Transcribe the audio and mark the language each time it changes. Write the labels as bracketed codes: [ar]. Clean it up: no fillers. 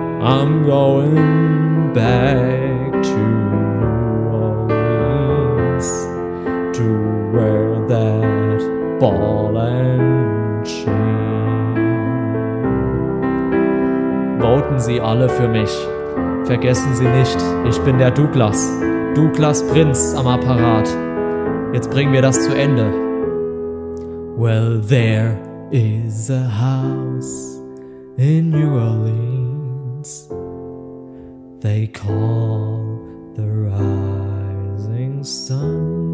[en] I'm going back to New Orleans, to wear that ball and chain. [de] Voten Sie alle für mich. Vergessen Sie nicht, ich bin der Douglas. Douglas Prinz am Apparat. Jetzt bringen wir das zu Ende. [en] Well, there is a house in New Orleans. They call the rising sun.